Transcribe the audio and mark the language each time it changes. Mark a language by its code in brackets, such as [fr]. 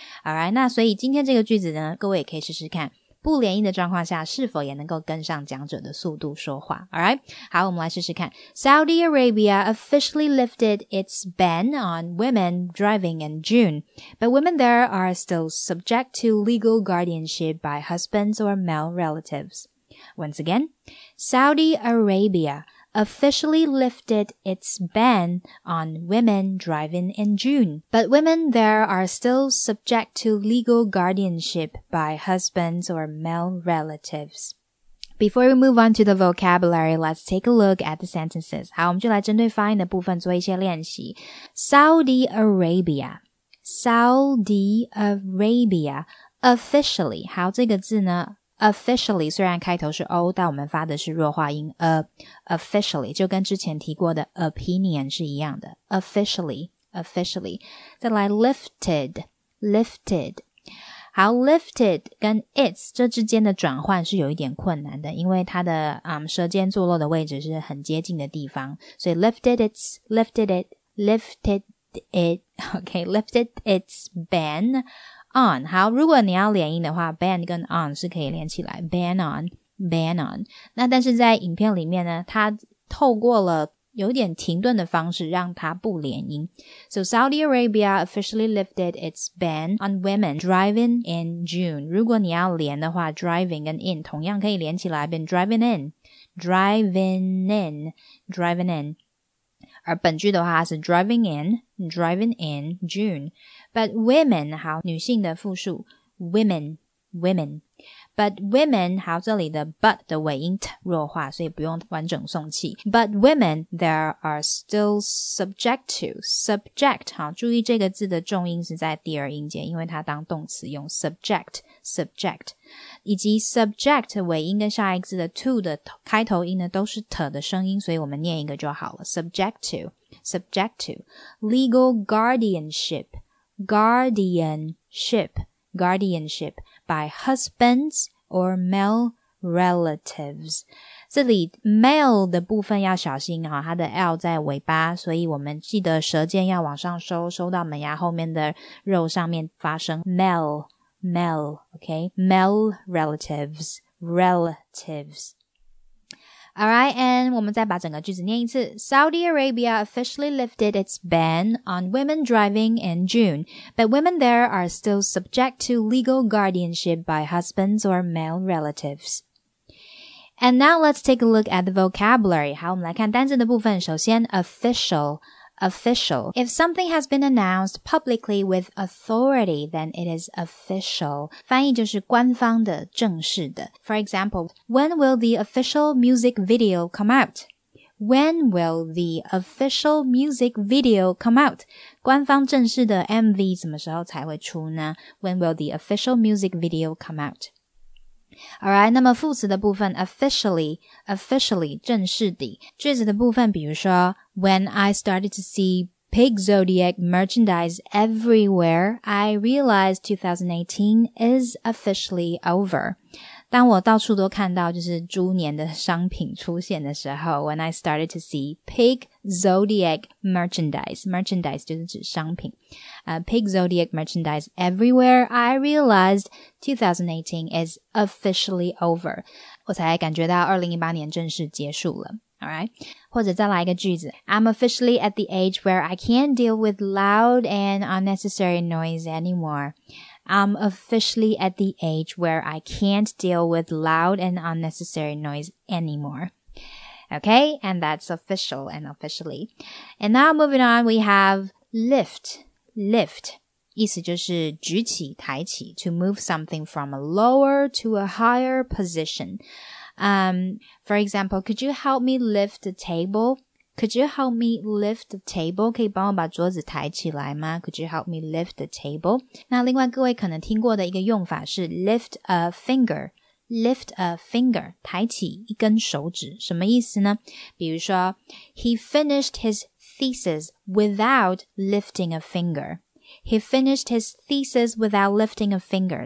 [zh] Alright, 那所以今天这个句子呢，各位也可以试试看，不连音的状况下是否也能够跟上讲者的速度说话。 Alright, 好，我们来试试看。 [en] Saudi Arabia officially lifted its ban on women driving in June, but women there are still subject to legal guardianship by husbands or male relatives. Once again, Saudi Arabia,officially lifted its ban on women driving in June. But women there are still subject to legal guardianship by husbands or male relatives. Before we move on to the vocabulary, let's take a look at the sentences. [zh] 好，我们就来针对发音的部分做一些练习。 [en] Saudi Arabia, Saudi Arabia, officially, [zh] 好，这个字呢Officially, 虽然开头是 O, 但我们发的是弱化音 Officially, 就跟之前提过的 opinion 是一样的 [en] Officially, officially 再来 lifted, lifted [zh] 好 lifted 跟 its 这之间的转换是有一点困难的因为它的舌尖坐落的位置是很接近的地方所以 [en] lifted its, lifted it, lifted it Okay, lifted its ban on, [zh] 好如果你要连音的话 ,ban 跟 on 是可以连起来 , [en] ban on, ban on. [zh] 那但是在影片里面呢它透过了有点停顿的方式让它不连音。 [en] So Saudi Arabia officially lifted its ban on women driving in June. [zh] 如果你要连的话 driving 跟 in 同样可以连起来变 [en] driving in, driving in, driving in. [zh] 而本句的话是 [en] driving in, driving in June. But women, [zh] 好女性的复数 [en] women, women. But women, [zh] 好这里的 but 的尾音 t 弱化所以不用完整送气。 [en] But women, there are still subject to, subject, [zh] 好注意这个字的重音是在第二音节因为它当动词用 [en] subject, subject. [zh] 以及 subject 尾音跟下一个字的 to 的开头音呢都是 t 的声音所以我们念一个就好了 [en] subject to, subject to. Legal guardianship, guardianship. Guardianship by husbands or male relatives. [zh] 这里 male 的部分要小心哈，它的 L 在尾巴，所以我们记得舌尖要往上收，收到门牙后面的肉上面发声 [en] male, male, okay, male relatives, relatives. Alright, and [zh] 我们再把整个句子念一次。 [en] Saudi Arabia officially lifted its ban on women driving in June, but women there are still subject to legal guardianship by husbands or male relatives. And now let's take a look at the vocabulary. [zh] 好，我们来看单字的部分。首先 official, official. [en] If something has been announced publicly with authority, then it is official. [zh] 翻译就是官方的、正式的。 [en] For example, when will the official music video come out? When will the official music video come out? [zh] 官方正式的 MV 什么时候才会出呢? [en] When will the official music video come out? [zh] Alright, 那么副词的部分 officially, officially, 正式的。 [en] 句子的部分比如说 When I started to see Pig Zodiac merchandise everywhere, I realized 2018 is officially over. [zh] 当我到处都看到就是猪年的商品出现的时候 [en] When I started to see Pig Zodiac merchandise, [zh] merchandise 就是指商品。 [en] Pig Zodiac merchandise everywhere, I realized 2018 is officially over. [zh] 我才感觉到2018年正式结束了。 Alright? 或者再来一个句子。 [en] I'm officially at the age where I can't deal with loud and unnecessary noise anymore. I'm officially at the age where I can't deal with loud and unnecessary noise anymore. Okay, and that's official and officially. And now moving on, we have lift. Lift, [zh] 意思就是举起、抬起 [en] to move something from a lower to a higher position. For example, could you help me lift the table? Could you help me lift the table? [zh] 可以帮我把桌子抬起来吗? [en] Could you help me lift the table? [zh] 那另外各位可能听过的一个用法是 lift a finger. [en] Lift a finger, [zh] 抬起一根手指,什么意思呢? 比如说, [en] He finished his thesis without lifting a finger. He finished his thesis without lifting a finger.